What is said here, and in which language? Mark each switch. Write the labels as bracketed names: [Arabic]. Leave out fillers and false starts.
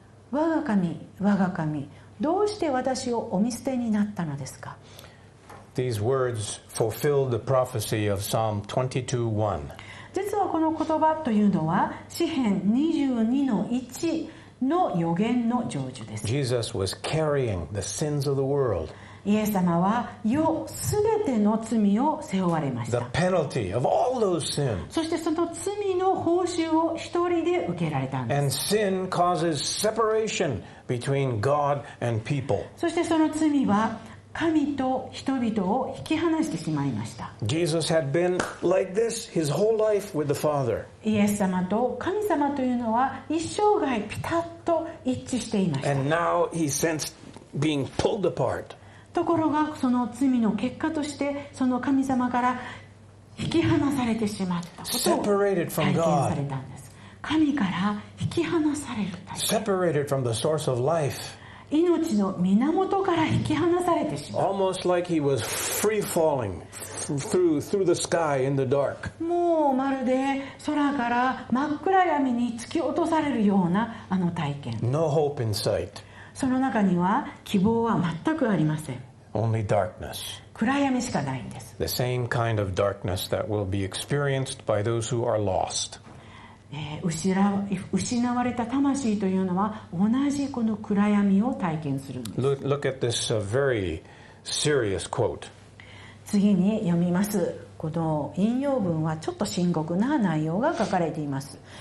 [Japanese] 我が神、我が神、どうして私をお見捨てになったのですか。 [English] These words fulfill the prophecy of Psalm 22:1. [Japanese] 実はこの言葉というのは詩編 22-1 の予言の成就です。 [English] Jesus was carrying the sins of the world. [Japanese] イエス様は世すべての罪を背負われました。 [English] The penalty of all those sins. [Japanese] そしてその罪の報酬を一人で受けられたんです。 [English] And sin causes separation between God and people. [Japanese] そしてその罪は神と人々を引き離してしまいました。 [English] Jesus had been like this his whole life with the Father. [Japanese] イエス様と神様というのは一生涯ピタッと一致していました。 [English] And now he sensed being pulled apart. [Japanese] ところがその罪の結果としてその神様から引き離されてしまったことを体験されたんです。 [English] Separated from God. [Japanese] 神から引き離される。 [English] Separated from the source of life. [Japanese] 命の源から引き離されてしまう。 [English] Almost like he was free falling through the sky in the dark. [Japanese] もうまるで空から真っ暗闇に突き落とされるようなあの体験。 [English] No hope in sight. [Japanese] その中には希望は全くありません。 [English] Only darkness. [Japanese] 暗闇しかないんです。 [English] The same kind of darkness that will be experienced by those who are lost. [Japanese] 失われた魂というのは同じこの暗闇を体験するんです。 [English] Look at this very serious quote. [Japanese] 次に読みます。この引用文はちょっと深刻な内容が書かれています。